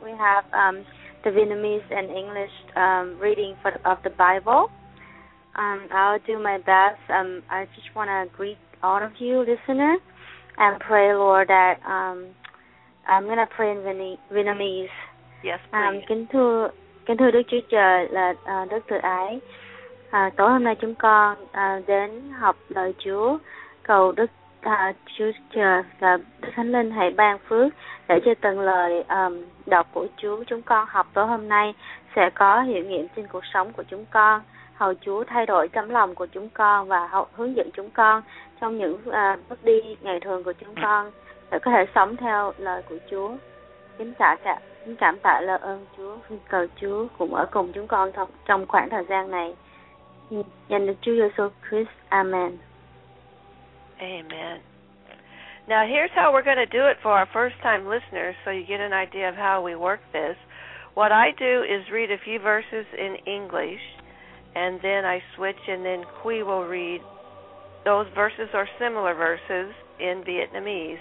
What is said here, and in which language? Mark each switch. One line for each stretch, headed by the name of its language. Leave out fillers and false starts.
English: We have the Vietnamese and English reading of the Bible. I'll do my best. I just want to greet all of you, listeners, and pray, Lord, that... I'm gonna pray in Vietnamese. Yes, please.
Vietnamese: Kính thưa Đức Chúa Trời là Đức Từ Ái. Tối hôm nay chúng con đến học lời Chúa, cầu Đức Chúa Trời và Đức Thánh Linh hãy ban phước để cho từng lời đọc của Chúa chúng con học tối hôm nay sẽ có hiệu nghiệm trên cuộc sống của chúng con. Hầu Chúa thay đổi tấm lòng của chúng con và hướng dẫn chúng con trong những bước đi ngày thường của chúng con. Để có thể sống theo lời của Chúa. Kính cảm tạ lời ơn Chúa. Cầu Chúa cũng ở cùng chúng con trong khoảng thời gian này. Dành được Chúa Giêsu Christ. Amen.
English: Amen. Now, here's how we're going to do it for our first-time listeners so you get an idea of how we work this. What I do is read a few verses in English, and then I switch, and then Quy will read those verses or similar verses in Vietnamese.